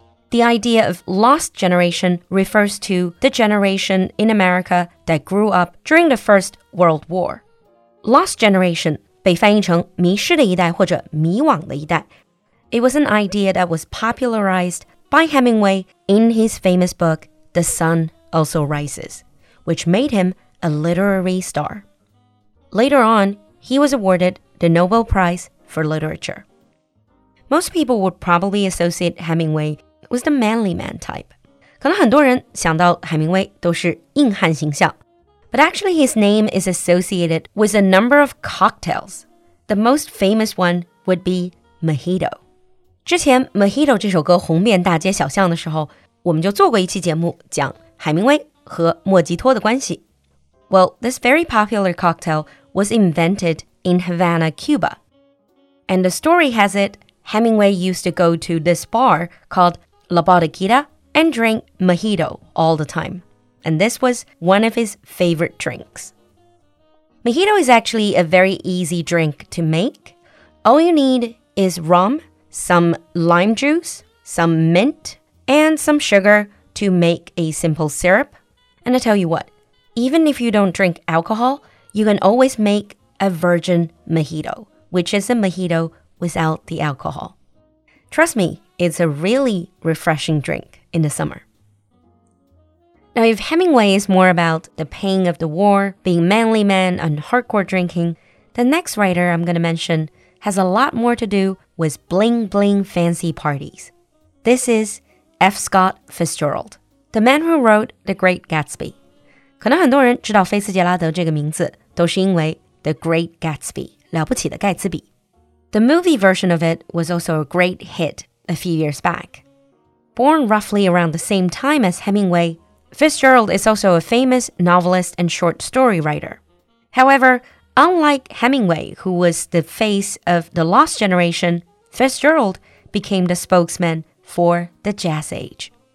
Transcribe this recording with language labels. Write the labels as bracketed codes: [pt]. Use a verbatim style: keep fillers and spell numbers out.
[en] The idea of Lost Generation refers to the generation in America that grew up during the First World War. [zh] Lost Generation 被翻译成迷失的一代或者迷惘的一代。 [en] It was an idea that was popularized by Hemingway in his famous book, The Sun Also Rises, which made him a literary star. Later on, he was awarded the Nobel Prize for literature. Most people would probably associate Hemingway with the manly man type. [zh] 可能很多人想到海明威都是硬汉形象。 [en] But actually his name is associated with a number of cocktails. The most famous one would be Mojito. [zh] 之前 Mojito 这首歌红遍大街小巷的时候，我们就做过一期节目讲海明威和莫吉托的关系。 [en] Well, this very popular cocktail was invented in Havana, Cuba. And the story has it, Hemingway used to go to this bar called La Bodeguita and drink mojito all the time. And this was one of his favorite drinks. Mojito is actually a very easy drink to make. All you need is rum, some lime juice, some mint, and some sugar to make a simple syrup. And I tell you what, even if you don't drink alcohol, you can always make a virgin mojito, which is a mojito without the alcohol. Trust me, it's a really refreshing drink in the summer. Now, if Hemingway is more about the pain of the war, being manly man, and hardcore drinking, the next writer I'm going to mention has a lot more to do with bling-bling fancy parties. This is F. Scott Fitzgerald, the man who wrote The Great Gatsby. [zh] 可能很多人知道菲茨杰拉德这个名字，都是因为The Great Gatsby, 了不起的盖茨比。 [en] The movie version of it was also a great hit a few years back. Born roughly around the same time as Hemingway, Fitzgerald is also a famous novelist and short story writer. However, unlike Hemingway, who was the face of the Lost Generation, Fitzgerald became the spokesman for the Jazz Age.